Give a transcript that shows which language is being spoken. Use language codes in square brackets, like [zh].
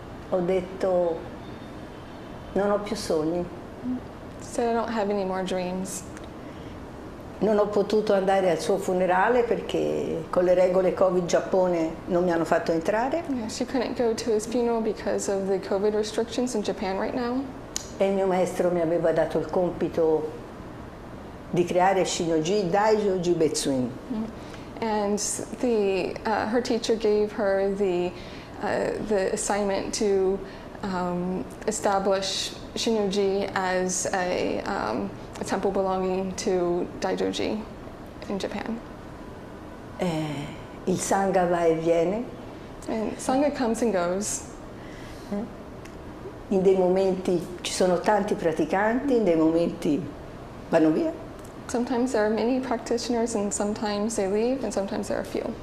[it] Ho detto, non ho più sogni. [en] So I don't have any more dreams. [it] Non ho potuto andare al suo funerale perché con le regole Covid Giappone non mi hanno fatto entrare. [en] Yeah, she couldn't go to his funeral because of the Covid restrictions in Japan right now. [it] E il mio maestro mi aveva dato il compito di creare Shinoji Daijo Jubetsuin. [en] And the her teacher gave her the assignment to establish Shinoji as a temple belonging to Daijoji in Japan. [it] Il sangha va e viene. [en] And sangha comes and goes. [it] In dei momenti ci sono tanti praticanti, in dei momenti vanno via. [en] Sometimes there are many practitioners and sometimes they leave and sometimes there are few.